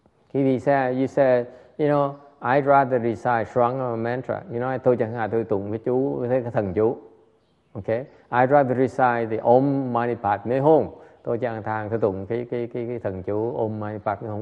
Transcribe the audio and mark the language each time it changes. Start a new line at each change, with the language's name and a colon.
English: Khi vị say, you say, you know, I'd rather recite Sharanga or mantra.
Vietnamese: You know, tôi chẳng hạn tôi tụng cái chú, cái thần chú.
English: Okay? I'd rather recite the Om Mani Padme Hum.
Vietnamese: Tôi chẳng hạn tôi tụng cái thần chú Om Mani Padme Hum.